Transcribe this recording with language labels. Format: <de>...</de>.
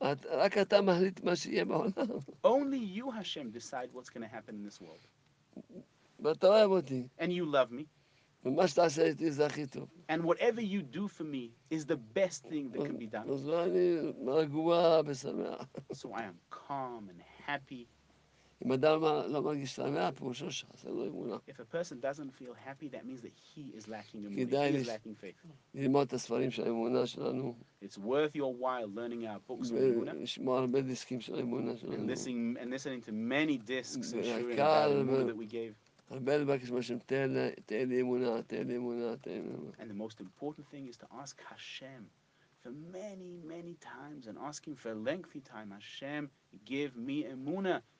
<he>רק אתה מחליט מה שיהיה בעולם.</he> <en>Only you, Hashem, decide what's going to happen in this world.</en> <he>ואתה אוהב אותי.</he> <en>And you love me.</en> <he>ומה שתעשה איתי זה הכי טוב.</he> <en>And whatever you do for me is the best thing that can be done.</en> <he>אז אני רגוע ושמח.</he> <en>So I am calm and happy.</en> <he>אם אדם לא מרגיש שמח, פירושו שזה לא אמונה.</he> <en>If a person doesn't feel happy, that means that he is lacking emunah. He is lacking faith.</en> <he>ללמוד את הספרים של האמונה שלנו.</he> <en>It's worth your while learning our books of emunah.</en> <he>לשמוע הרבה דיסקים של האמונה שלנו.</he> <en>And listening to many discs and sharing the emunah that we gave.</en> <he>הרבה לבקש מה שם, תן לי אמונה, תן לי אמונה, תן לי אמונה.</he> <en>And the most important thing is to ask Hashem for many, many times and ask him for a lengthy time, Hashem, give me emunah.</en>